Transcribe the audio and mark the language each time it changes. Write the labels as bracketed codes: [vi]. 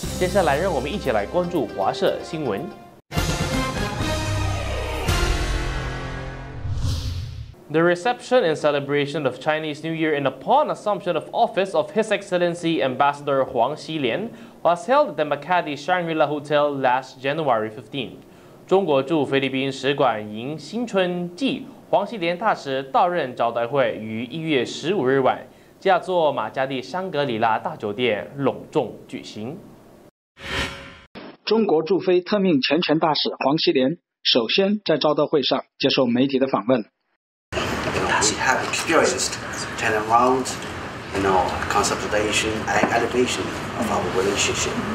[zh] 接下来，让我们一起来关注华社新闻。 [en] The reception and celebration of Chinese New Year and upon assumption of office of His Excellency Ambassador Huang Xilian was held at the Makati Shangri-La Hotel last January 15. [zh] 中国驻菲律宾使馆迎新春暨黄锡联大使到任招待会于1月15日晚。驾座马加蒂香格里拉大酒店隆重举行。中国驻菲特命全权大使黄锡联首先在招待会上接受媒体的访问。 [en] Has he had experience turnaround, you know, consolidation and elevation of our relationship?